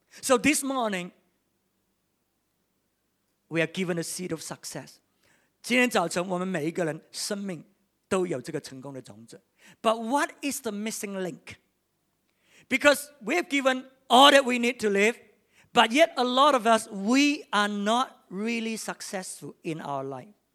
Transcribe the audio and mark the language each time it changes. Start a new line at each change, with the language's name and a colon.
English: So this morning, we are given a seed of success.
Chinese: 今天早晨，我们每一个人生命都有这个成功的种子。
English: But what is the missing link? Because we have given all that we need to live, but yet a lot of us, we are not really successful in our life.